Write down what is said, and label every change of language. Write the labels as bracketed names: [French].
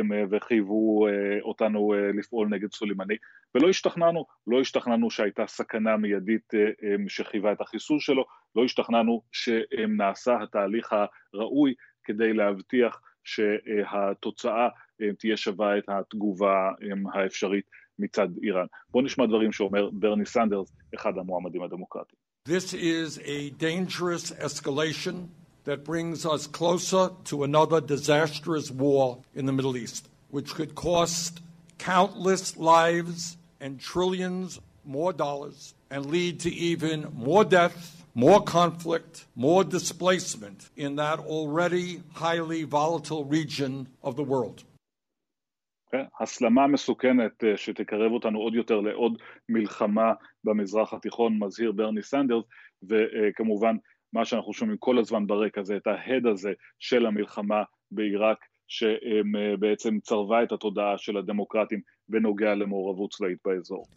[Hebrew] וחייבו אותנו לפעול נגד סולימני, ולא השתכנענו, לא השתכנענו שהייתה סכנה מיידית שחייבה את החיסול שלו, לא השתכנענו שנעשה התהליך הראוי כדי להבטיח שהתוצאה תהיה שווה את התגובה האפשרית מצד איראן. בוא נשמע דברים שאומר ברני סנדרס, אחד המועמדים הדמוקרטיים. [English] This is a dangerous escalation that brings us closer to another disastrous war in the Middle East, which could cost countless lives and trillions more dollars and lead to even more death, more conflict, more displacement in that already highly volatile region of the world. [Hebrew] הסלמה מסוכנת שתקרב אותנו עוד יותר לעוד מלחמה במזרח התיכון, מזהיר ברני סנדרס. וכמובן מה שאנחנו שומעים כל הזמן ברקע זה את ההד הזה של המלחמה בעיראק, שבעצם צרבה את התודעה של הדמוקרטים בנוגע למעורבות צבאית באזור.